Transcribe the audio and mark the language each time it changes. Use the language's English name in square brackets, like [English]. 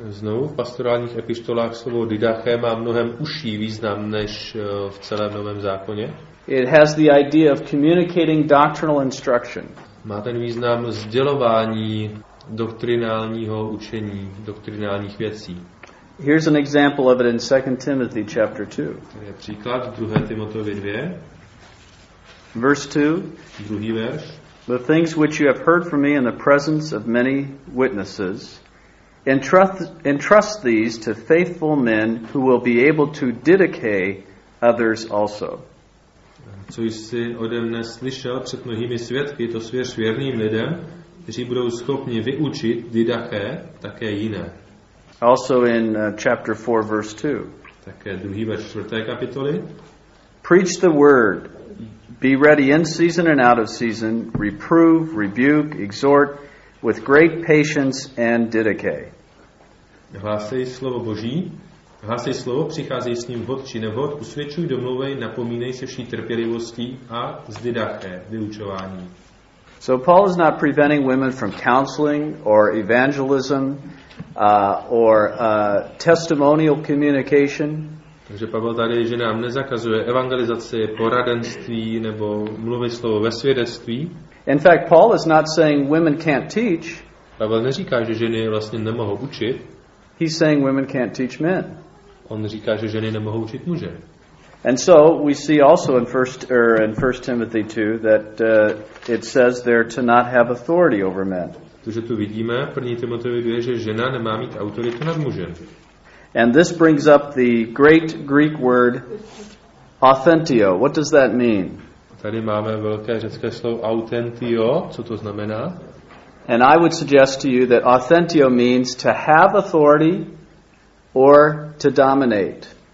[Czech] Znovu v pastorálních epištolách slovo didache má mnohem užší význam než v celém Novém zákoně. [English] It has the idea of communicating doctrinal instruction. [Czech] Má ten význam sdělování doktrinálního učení, doktrinálních věcí. [English] Here's an example of it in 2 Timothy chapter 2. [Czech] Je příklad v 2. Timoteovi 2. [English] Verse 2. [Czech] Druhý verš. [English] The things which you have heard from me in the presence of many witnesses, entrust these to faithful men who will be able to didache others also. [Czech] Co jsi ode mne slyšel před mnohými svědky, to svěř věrným lidem, kteří budou schopni vyučit didache také jiné. [English] Also in chapter 4, verse 2. [Czech] Také druhý verš čtvrté kapitoly. [English] Preach the word. Be ready in season and out of season. Reprove, rebuke, exhort with great patience and didache. [Czech] Hlásej slovo Boží. Hlásej slovo, přicházej s ním vhod či nevhod. Usvědčuj, domluvej, napomínej se vší trpělivostí a s didache, vyučování. [English] So Paul is not preventing women from counseling or evangelism or testimonial communication. [Czech] Takže Pavel tady ženám nezakazuje evangelizaci, poradenství nebo mluvit slovo ve svědectví. [English] In fact, Paul is not saying women can't teach. [Czech] Pavel neříká, že ženy vlastně nemohou učit. [English] He's saying women can't teach men. [Czech] On říká, že ženy nemohou učit muže. [English] And so we see also in 1 Timothy 2 that it says there to not have authority over men. [Czech] Takže tu vidíme v 1. Timoteovi 2, že žena nemá mít autoritu nad mužem. [English] And this brings up the great Greek word authentio. What does that mean? [Czech] Tady máme velké řecké slovo authentio. Co to znamená? [English] And I would suggest to you that authentio means to have authority or to dominate.